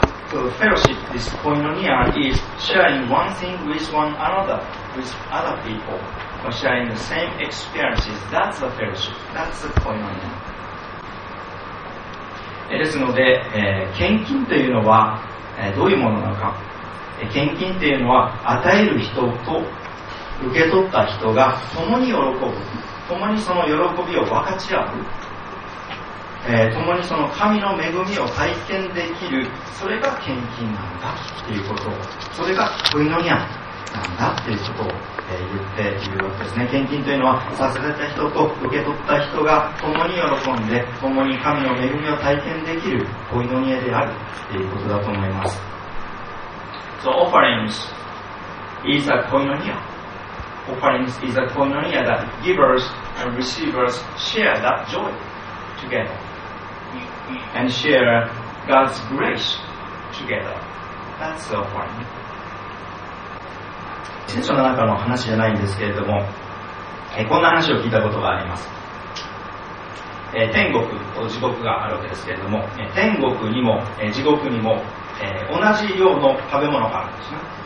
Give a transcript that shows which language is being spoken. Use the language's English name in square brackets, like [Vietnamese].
[English] So fellowship, this koinonia, is sharing one thing with one another, with other people, or sharing the same experiences. That's a fellowship. That's a koinonia. [Japanese] ですので、献金というのは、どういうものなのか、献金というのは与える人と受け取った人が共に喜ぶ、共にその喜びを分かち合う、共にその神の恵みを体験できる、それが献金なんだということを、それがコイノニアなんだということを、言っているわけですね。献金というのは捧げた人と受け取った人が共に喜んで共に神の恵みを体験できるコイノニアであるということだと思います。 [English] So offerings is a koinonia. Offerings is a koinonia that givers and receivers share that joy together and share God's grace together. That's the offering. [Japanese] 聖書の中の話じゃないんですけれども、こんな話を聞いたことがあります。天国と地獄があるわけですけれども、天国にも地獄にも同じ量の食べ物があるんですね。